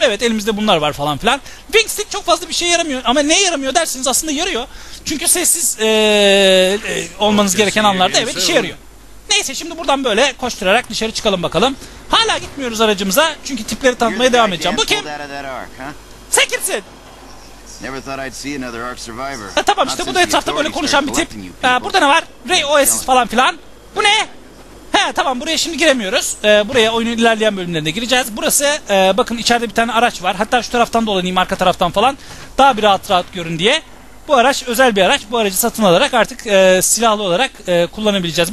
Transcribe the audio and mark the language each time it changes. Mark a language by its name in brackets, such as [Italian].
[Turkish] Evet, elimizde bunlar var falan filan. Wingstick çok fazla bir şey yaramıyor. Ama ne yaramıyor dersiniz, aslında yarıyor. Çünkü sessiz olmanız gereken anlarda evet işe yarıyor. Neyse, şimdi buradan böyle koşturarak dışarı çıkalım bakalım. Hala gitmiyoruz aracımıza. Çünkü tipleri tanıtmaya devam edeceğim. Bu kim? Sen kimsin? [English] Never thought I'd see another Ark survivor. [Turkish] Tamam, işte bu da etrafta böyle konuşan bir tip. Burada ne var? Ray OS falan filan. Bu ne? He, Tamam, buraya şimdi giremiyoruz. Buraya oyunun ilerleyen bölümlerinde gireceğiz. Burası bakın içeride bir tane araç var. Hatta şu taraftan dolanayım, arka taraftan falan. Daha bir rahat rahat görün diye. Bu araç özel bir araç. Bu aracı satın alarak artık silahlı olarak kullanabileceğiz.